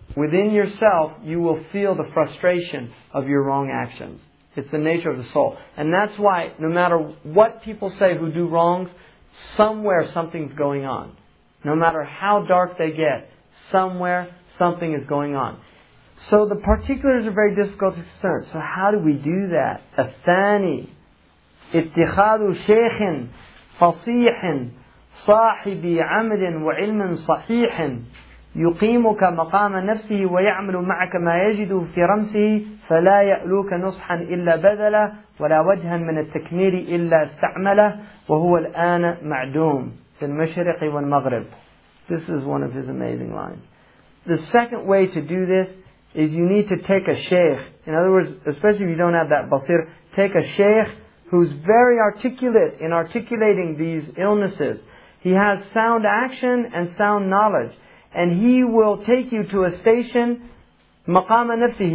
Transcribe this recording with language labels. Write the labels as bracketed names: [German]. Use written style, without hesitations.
[English] within yourself, you will feel the frustration of your wrong actions. It's the nature of the soul. And that's why, no matter what people say who do wrongs, somewhere something's going on. No matter how dark they get, somewhere something is going on. So the particulars are very difficult to discern. So how do we do that? [Arabic] الثاني اتخاذ شيخ فصيح صاحب عمل وعلم صحيح يقيمك مقام نفسه ويعمل معك ما يجد في رمسه فلا يألوك نصحا إلا بذله ولا وجها من التكمير إلا استعمله وهو الآن معدوم في المشرق والمغرب. [English] This is one of his amazing lines. The second way to do this is you need to take a sheikh. In other words, especially if you don't have that basir, take a sheikh who's very articulate in articulating these illnesses. He has sound action and sound knowledge. And he will take you to a station, maqama nafsi.